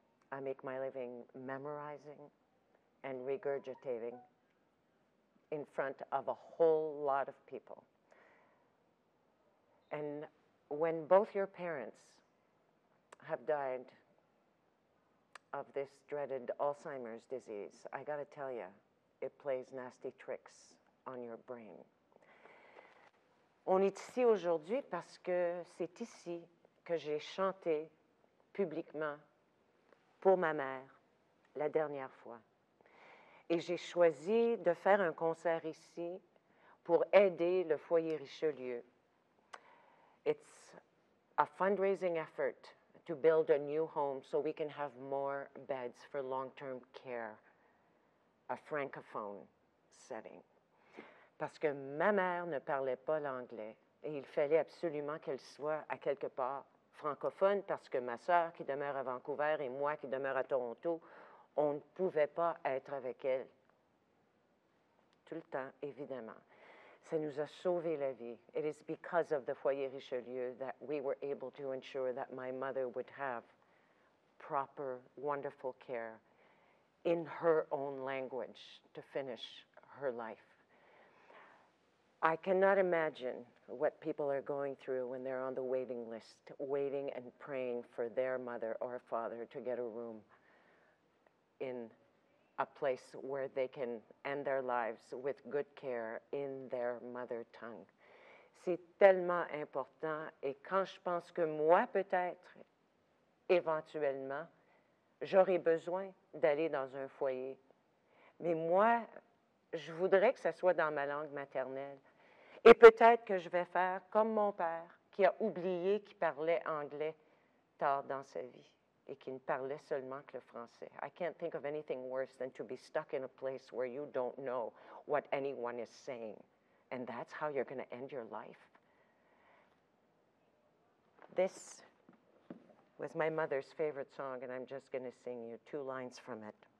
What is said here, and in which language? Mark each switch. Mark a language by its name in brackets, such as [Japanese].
[English] I make my living memorizing and regurgitating in front of a whole lot of people. And when both your parents have died of this dreaded Alzheimer's disease, I gotta tell you, it plays nasty tricks on your brain. [French] On est ici aujourd'hui parce que c'est ici que j'ai chanté publiquement pour ma mère la dernière fois. Et j'ai choisi de faire un concert ici pour aider le foyer Richelieu. [English] It's a fundraising effort to build a new home so we can have more beds for long-term care, a francophone setting. [French] Parce que ma mère ne parlait pas l'anglais et il fallait absolument qu'elle soit à quelque part francophone parce que ma sœur qui demeure à Vancouver et moi qui demeure à Toronto, on ne pouvait pas être avec elle tout le temps, évidemment. Ça nous a sauvé la vie. [English] It is because of the foyer Richelieu that we were able to ensure that my mother would have proper, wonderful care in her own language to finish her life. I cannot imagine what people are going through when they're on the waiting list, waiting and praying for their mother or father to get a room in a place where they can end their lives with good care in their mother tongue. [French] C'est tellement important, et quand je pense que moi, peut-être, éventuellement, j'aurai besoin d'aller dans un foyer. Mais moi, je voudrais que ça soit dans ma langue maternelle. Et peut-être que je vais faire comme mon père, qui a oublié qu'il parlait anglais tard dans sa vie. Et qui ne parlait seulement que le français. [English] I can't think of anything worse than to be stuck in a place where you don't know what anyone is saying. And that's how you're going to end your life. This was my mother's favorite song, and I'm just going to sing you two lines from it.